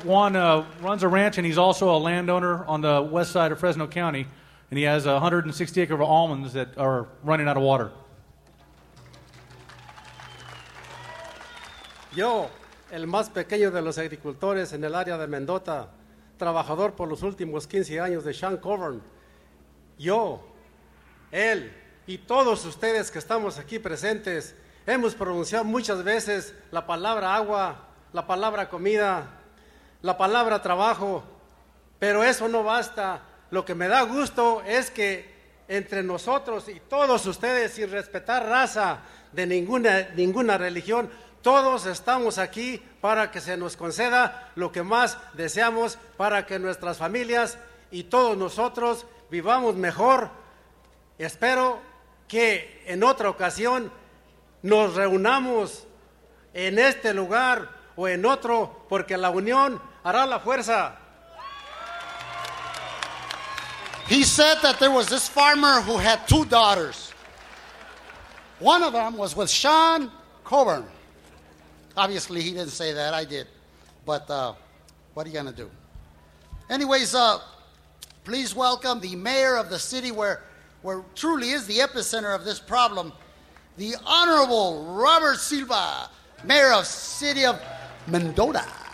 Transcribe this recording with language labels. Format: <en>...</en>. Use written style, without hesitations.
<en>Juan runs a ranch, and he's also a landowner on the west side of Fresno County. And he has 160-acre of almonds that are running out of water.</en> <es>Yo, el más pequeño de los agricultores en el área de Mendota, trabajador por los últimos 15 años de Sean Coburn, yo, él y todos ustedes que estamos aquí presentes, hemos pronunciado muchas veces la palabra agua, la palabra comida, la palabra trabajo, pero eso no basta. Lo que me da gusto es que entre nosotros y todos ustedes, sin respetar raza de ninguna religión, todos estamos aquí para que se nos conceda lo que más deseamos, para que nuestras familias y todos nosotros vivamos mejor. Espero que en otra ocasión nos reunamos en este lugar o en otro, porque la unión hará la fuerza.</es> <en>He said that there was this farmer who had two daughters. One of them was with Sean Coburn. Obviously, he didn't say that. I did. But what are you going to do? Anyways, please welcome the mayor of the city where truly is the epicenter of this problem, the Honorable Robert Silva, mayor of City of Mendota.</en>